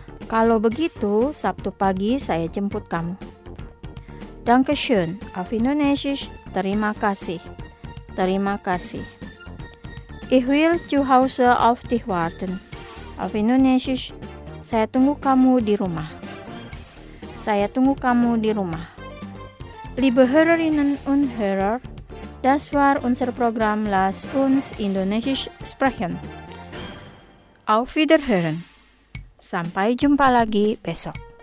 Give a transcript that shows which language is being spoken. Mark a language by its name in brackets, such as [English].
[Indonesian] Kalau begitu, Sabtu pagi saya jemput kamu. [German] Danke schön, auf Indonesisch, [Indonesian] terima kasih. Terima kasih. [German] Ich will zu Hause auf dich warten. Auf Indonesisch, [Indonesian] saya tunggu kamu di rumah. Saya tunggu kamu di rumah. [German] Liebe Hörerinnen und Hörer, das war unser Programm Lass uns Indonesisch sprechen. Auf Wiederhören. [Indonesian] Sampai jumpa lagi besok.